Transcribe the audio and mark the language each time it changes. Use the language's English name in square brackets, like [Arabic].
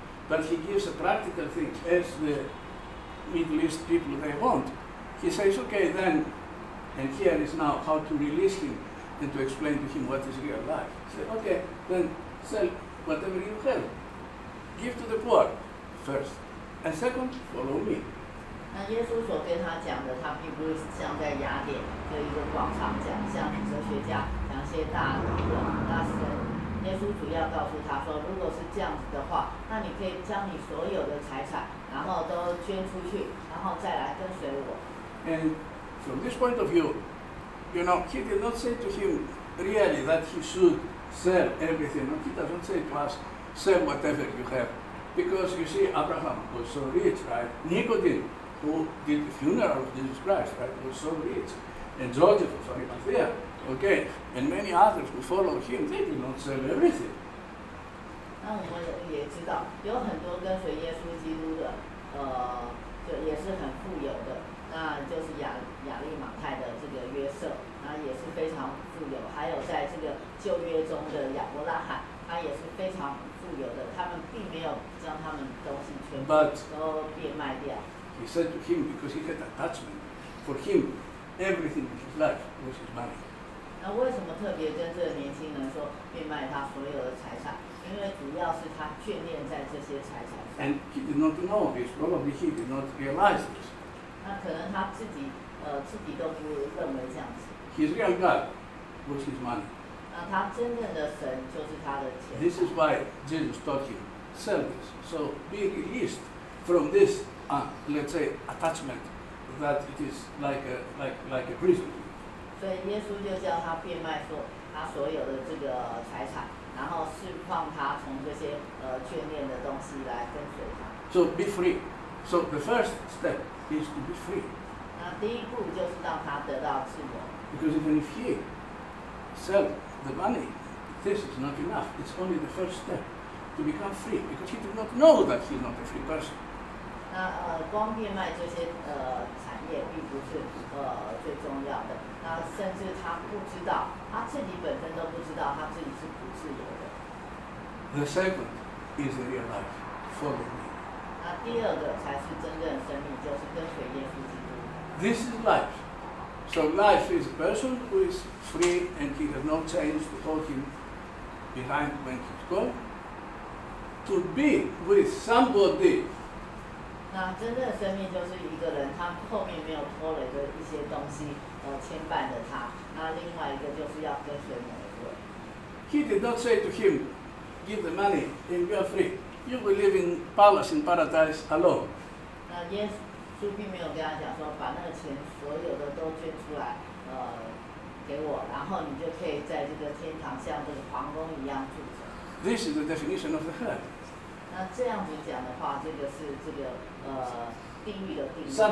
[English] But he gives a practical thing as the Middle East people they want. He says, okay, then, and here is now how to release him and to explain to him what is real life. He says, okay, then sell whatever you have. Give to the poor first. And second, follow me. [Chinese] 那耶稣所跟他讲的，他并不是像在雅典这一个广场讲，像哲学家讲一些大理论，那是。耶稣主要告诉他说，如果是这样子的话，那你可以将你所有的财产，然后都捐出去，然后再来跟随我。 [English] And from this point of view, you know, he did not say to him really that he should sell everything. No, he doesn't say to us, sell whatever you have. Because you see, Abraham was so rich, right? Nicodemus, who did the funeral of Jesus Christ, right, was so rich. And Joseph was very much there. Okay, and many others who follow him, they did not sell everything. [Chinese] 那我们也知道，有很多跟随耶稣基督的，就也是很富有的。那就是亚利马太的这个约瑟，那也是非常富有。还有在这个旧约中的亚伯拉罕，他也是非常富有的。他们并没有将他们东西全部都变卖掉。 [English] But he said to him because he had attachment. For him, everything in his life was his money. [Chinese] 那为什么特别跟这个年轻人说变卖他所有的财产？因为主要是他眷恋在这些财产上。 [English] And he did not know this. Probably he did not realize this. [Chinese] 那可能他自己自己都不认为这样子。 [English] His real God was his money. [Chinese] 他真正的神就是他的钱。 [English] This is why Jesus taught him service. So be released from this, let's say, attachment that it is like a prison. [Chinese] 所以耶稣就叫他变卖说他所有的这个财产，然后释放他从这些眷恋的东西来跟随他。 [English] So be free. So the first step is to be free. [Chinese] 那第一步就是让他得到自由。 [English] Because even if he sell the money, this is not enough. It's only the first step to become free, because he did not know that he's not a free person. [Chinese] 那光变卖这些产业并不是最重要的。那甚至他不知道，他自己本身都不知道他自己是不自由的。 [English] The second is the real life, follow me. [Chinese] 那第二个才是真正的生命，就是跟随耶稣基督。 [English] This is life. So life is a person who is free and he has no chains to hold him behind when he's gone. To be with somebody. [Chinese] 那真正的生命就是一个人，他后面没有拖累的一些东西，牵绊着他。那另外一个就是要跟随某一位。 [English] He did not say to him, "Give the money and you are free. You will live in palace in paradise alone." [Chinese] 那耶稣就并没有跟他讲说，把那个钱所有的都捐出来，给我，然后你就可以在这个天堂像这个皇宫一样住着。 [English] This is the definition of the hell. [Chinese] 那这样子讲的话，这个是这个地狱的定义。